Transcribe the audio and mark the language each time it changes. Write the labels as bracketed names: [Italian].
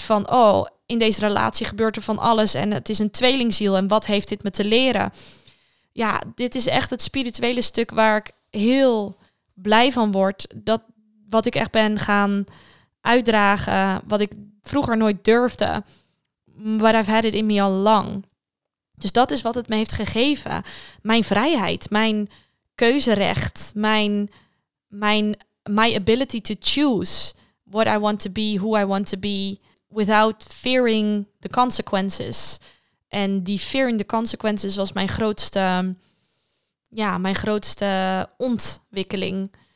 [Dutch] Van, oh, in deze relatie gebeurt er van alles en het is een tweelingziel. En wat heeft dit me te leren? Ja, dit is echt het spirituele stuk waar ik heel blij van word. Dat wat ik echt ben gaan uitdragen, wat ik vroeger nooit durfde. [English] But I've had it in me [Dutch] al lang. Dus dat is wat het me heeft gegeven. Mijn vrijheid, mijn keuzerecht, [English] my ability to choose what I want to be, who I want to be, without fearing the consequences. [Dutch] En die [English] fear in the consequences [Dutch] was mijn grootste ontwikkeling.